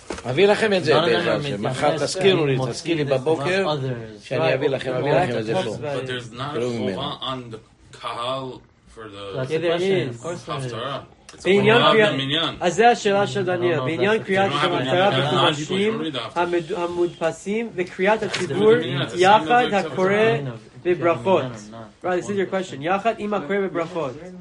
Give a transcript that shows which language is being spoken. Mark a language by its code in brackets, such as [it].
[he] אביא לכם את זה, מחר תזכירו לי, תזכיר לי בבוקר, שאני אביא לכם, אביא לכם את זה פה. [en] But there's not a chuva on the kahal for the... Yeah, there is. Haftara. [he] בעניין קריאה, אז זה השאלה של דניאל, בעניין קריאת המטרה בקודשים המודפסים וקריאת הציבור יחד הקורא בברכות. [en] Right, this is your question. [he] יחד עם הקורא בברכות.